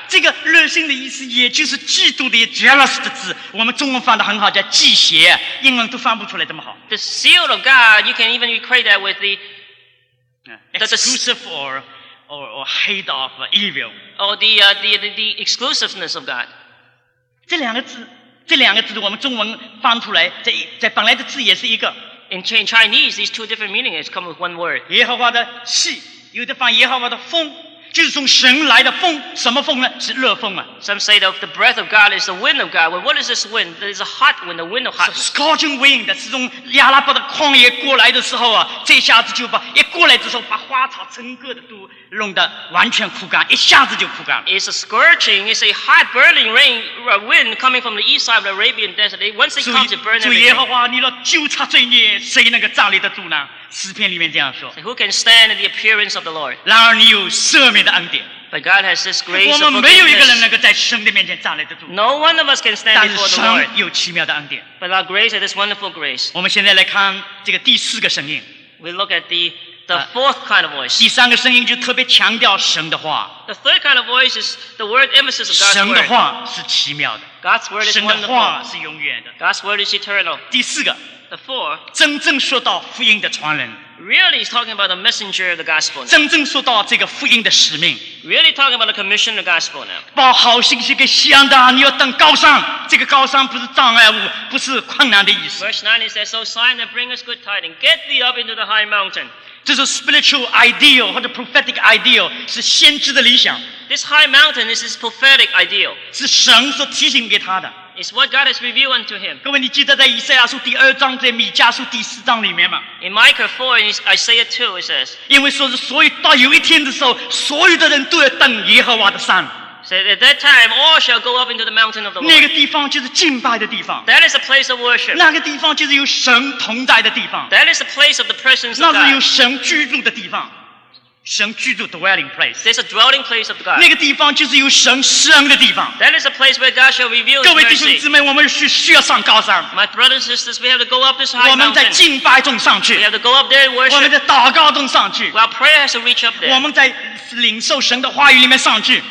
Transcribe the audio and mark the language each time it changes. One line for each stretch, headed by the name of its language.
Chinese: 这个热心的意思，也就是嫉妒的 jealous 的字。我们中文翻得很好，叫嫉邪，英文都翻不出来这么好。
English: The zeal of God, you can even equate that with the exclusive or hate of evil. Or the exclusiveness of God.
Chinese: 这两个字。这两个字我们中文翻出来，在本来的字也是一个。
English: In Chinese, these two different meanings come with one word.
Chinese: 耶和华的气，有的翻耶和华的风，就是从神来的风。什么风呢？是热风啊。
English: Some say the breath of God is the wind of God. Well, what is this wind? It's a hot wind, the wind of hot. Scorching wind,
Chinese: 是从亚拉伯的旷野过来的时候啊，这下子就把一过来之后，把花草整个的都弄得完全枯干，一下子就枯干了。
English: It's a scorching. It's a hot, burning rain, wind coming from the east side of the Arabian Desert. Once it comes, it burns.
Chinese: 主耶和华，你若纠察罪孽，谁能够站立得住呢？诗篇里面这样说,
English: so who can stand in the appearance of the Lord?
Chinese: 然而你有赦免的恩典,
English: but God has this grace of forgiveness. No one of us can stand before the Lord.
Chinese: 但是神有奇妙的恩典,
English: but our grace is this wonderful grace.
Chinese: 我们现在来看这个第四个声音,
English: we look at the fourth kind of voice.
Chinese: 第三个声音就特别强调神的话,
English: the third kind of voice is the word emphasis of God's word.
Chinese: 神的话是奇妙的,
English: God's word is wonderful.
Chinese: 神的话是永远的,
English: God's word is eternal.
Chinese: 第四个,
English: the four,
Chinese: 真正说到福音的传人,
English: really is talking about the messenger of the gospel now.
Chinese: 真正说到这个福音的使命,
English: really talking about the commission of the gospel now.
Chinese: 报好信息给西安的，你要登高山, 这个高山不是障碍物, 不是困难的意思。
English: Verse 9 says, so sign and bring us good tidings, get thee up into the high mountain.
Chinese: 这是
English: spiritual ideal
Chinese: 或者
English: prophetic ideal,
Chinese: 是先知的理想。
English: This high mountain is his prophetic ideal.
Chinese: 是神所提醒给他的。
English: It's what God has revealed unto him.
Chinese: 各位，你记得在以赛亚书第二章，在米迦书第四章里面吗？
English: In Micah 4 and Isaiah 2, it says,
Chinese: 因为说是所有到有一天的时候，所有的人都要登耶和华的山。
English: So at that time, all shall go up into the mountain of the Lord.
Chinese: 那个地方就是敬拜的地方。
English: That is a place of worship.
Chinese: 那个地方就是有神同在的地方。
English: That is a place of the presence of God.
Chinese: 那是有神居住的地方。神居住
English: dwelling place. There's a dwelling place of God.
Chinese: 那个地方就是由神施恩的地方。
English: That is a place where God shall reveal His mercy.
Chinese: 各位弟兄姊妹，我们需要上高山。
English: My brothers and sisters, we have to go up this high mountain.
Chinese: 我们在敬拜中上去。
English: We have to go up there and worship.
Chinese: 我们在祷告中上去。
English: Our prayer has to reach up there.
Chinese: 我们在领受神的话语里面上去。